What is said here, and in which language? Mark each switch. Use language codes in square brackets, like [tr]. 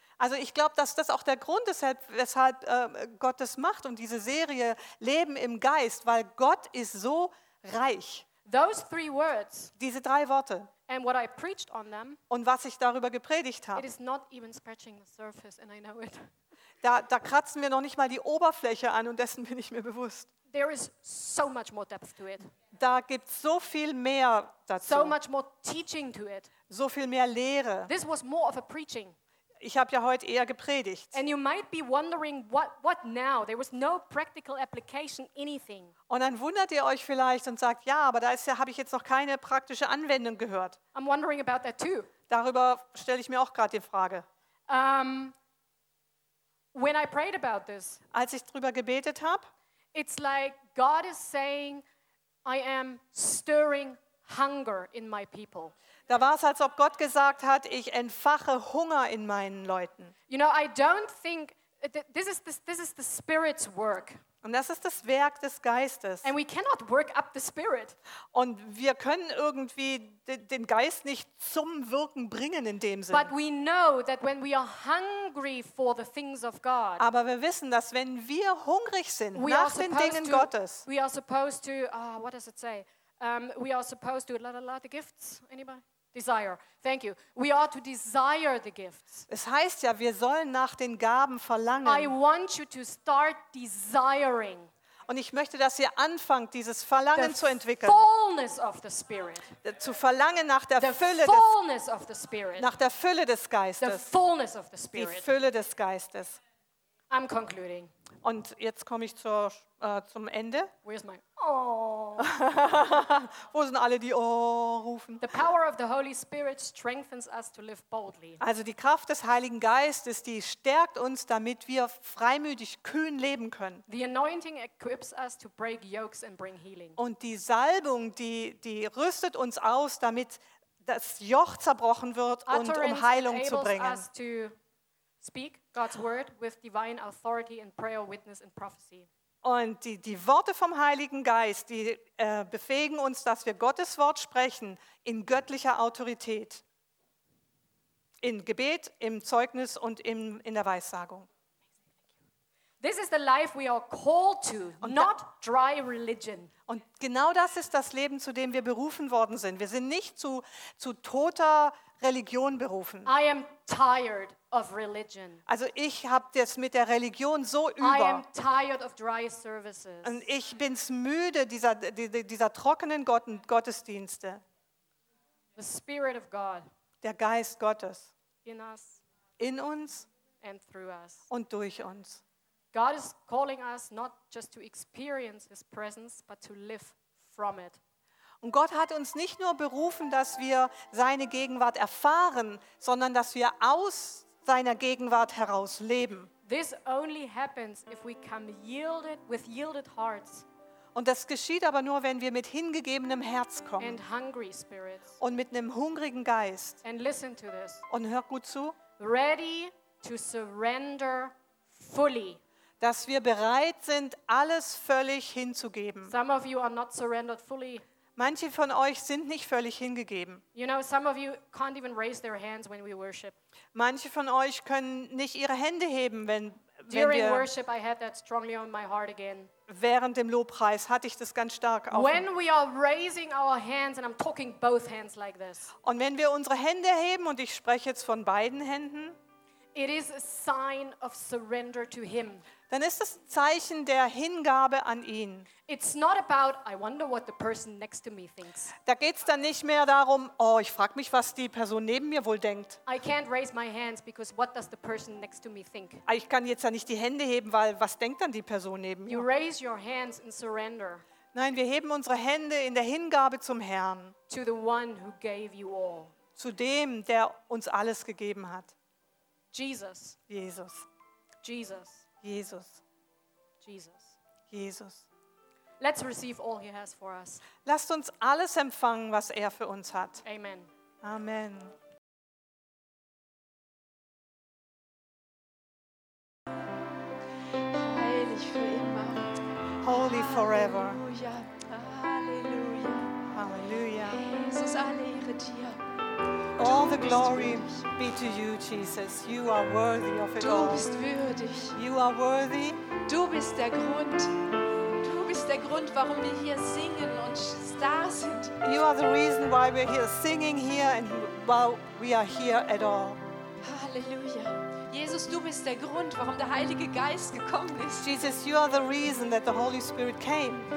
[de] Also ich glaube, dass das auch der Grund ist, weshalb Gott das macht und diese Serie Leben im Geist, weil Gott ist so reich. [en] Those three words, [de] diese drei Worte [en] and what I preached on them, [de] und was ich darüber gepredigt habe, [en] it is not even scratching the surface and I know it. [de] Da kratzen wir noch nicht mal die Oberfläche an und dessen bin ich mir bewusst. [en] There is so much more depth to it. [de] Da gibt's so viel mehr dazu. [en] So much more teaching to it. [de] So viel mehr Lehre. [en] This was more of a preaching. [de] Ich habe ja heute eher gepredigt. [en] And you might be wondering what now? There was no practical application anything. [de] Und dann wundert ihr euch vielleicht und sagt, ja, aber da ist ja habe ich jetzt noch keine praktische Anwendung gehört. [en] I'm wondering about that too. [de] Darüber stelle ich mir auch gerade die Frage. [en] When I prayed about this. [de] Als ich drüber gebetet habe, [en] it's like God is saying I am stirring hunger in my people. [de] Da war es, als ob Gott gesagt hat, ich entfache Hunger in meinen Leuten. [en] You know, I don't think this is the Spirit's work. [de] Und das ist das Werk des Geistes. [en] And we cannot work up the Spirit. [de] Und wir können irgendwie den Geist nicht zum Wirken bringen in dem Sinn. [en] But we know that when we are hungry for the things of God. [de] Aber wir wissen, dass wenn wir hungrig sind nach den Dingen Gottes. [en] We are supposed to. Oh, what does it say? We are supposed to the gifts. Anybody? Desire. Thank you. We are to desire the gifts. [de] Es heißt ja, wir sollen nach den Gaben verlangen. [en] I want you to start desiring. [de] Und ich möchte, dass ihr anfangt, dieses Verlangen [en] the [de] zu entwickeln. [en] Fullness of the Spirit. [de] Zu verlangen nach der [en] the [de] Fülle [en] fullness [de] des, [en] of the Spirit. [de] Nach der Fülle des Geistes. [en] The fullness of the Spirit. [de] Die Fülle des Geistes. [en] I'm concluding. [de] Und jetzt komme ich zum Ende. [en] Where's my oh? [de] Wo sind alle die oh rufen? [en] The power of the Holy Spirit strengthens us to live boldly. [de] Also die Kraft des Heiligen Geistes, die stärkt uns, damit wir freimütig kühn leben können. [en] The anointing equips us to break yokes and bring healing. [de] Und die Salbung, die rüstet uns aus, damit das Joch zerbrochen wird und um Heilung zu bringen. [en] Speak God's word with divine authority in prayer, witness and prophecy. [de] Und die Worte vom Heiligen Geist, die befähigen uns, dass wir Gottes Wort sprechen in göttlicher Autorität. In Gebet, im Zeugnis und in der Weissagung. [en] This is the life we are called to, not dry religion. [de] Und genau das ist das Leben, zu dem wir berufen worden sind. Wir sind nicht zu toter Religion berufen. [en] I am tired of religion. [de] Also ich habe das mit der Religion so über. [en] I am tired of dry services. [de] Und ich bin's müde dieser trockenen Gottesdienste. [en] The Spirit of God. [de] Der Geist Gottes. [en] In us. [de] In uns. [en] And through us. [de] Und durch uns. [en] God is calling us not just to experience His presence, but to live from it. [de] Und Gott hat uns nicht nur berufen, dass wir seine Gegenwart erfahren, sondern dass wir aus seiner Gegenwart heraus leben. [en] This only happens if we come yielded with yielded hearts. [de] Und das geschieht aber nur, wenn wir mit hingegebenem Herz kommen. [en] And hungry spirits. [de] Und mit einem hungrigen Geist. [en] And listen to this. [de] Und hör gut zu. [en] Ready to surrender fully. [de] Dass wir bereit sind, alles völlig hinzugeben. [en] Some of you are not surrendered fully. [de] Manche von euch sind nicht völlig hingegeben. [en] You know, some of you can't even raise their hands when we worship. [de] Manche von euch können nicht ihre Hände heben, wenn [en] during [de] wir. [en] During worship, I had that strongly on my heart again. [de] Während dem Lobpreis hatte ich das ganz stark auch. [en] When we are raising our hands and I'm talking both hands like this. [de] Und wenn wir unsere Hände heben und ich spreche jetzt von beiden Händen. [en] It is a sign of surrender to Him. [de] dann ist das Zeichen der Hingabe an ihn. [en] It's not about I wonder what the person next to me thinks. [de] Da geht's dann nicht mehr darum, oh, ich frag mich, was die Person neben mir wohl denkt. [en] I can't raise my hands because what does the person next to me think? [de] Ich kann jetzt ja nicht die Hände heben, weil was denkt dann die Person neben mir? [en] You raise your hands in surrender. [de] Nein, wir heben unsere Hände in der Hingabe zum Herrn. [en] To the one who gave you all. [de] Zu dem, der uns alles gegeben hat. [en] Jesus. [de] Jesus. [en] Jesus. [de] Jesus. [en] Jesus. [de] Jesus. [en] Let's receive all he has for us. [de] Lasst uns alles empfangen, was er für uns hat. [en] Amen. [de] Amen. Heilig für immer. [en] Holy forever. [de] Halleluja. Halleluja. Halleluja. Jesus, alle Ehre dir. [en] All the glory be to you, Jesus. You are worthy of it all. [de] Du bist würdig. [en] You are worthy. [de] Du bist der Grund. Der Grund, warum wir hier singen und da sind. [en] You are the reason why we're here singing here and while we are here at all. [de] Halleluja. Jesus, du bist der Grund, warum der Heilige Geist gekommen ist. [en] Jesus, you are the reason that the Holy Spirit came.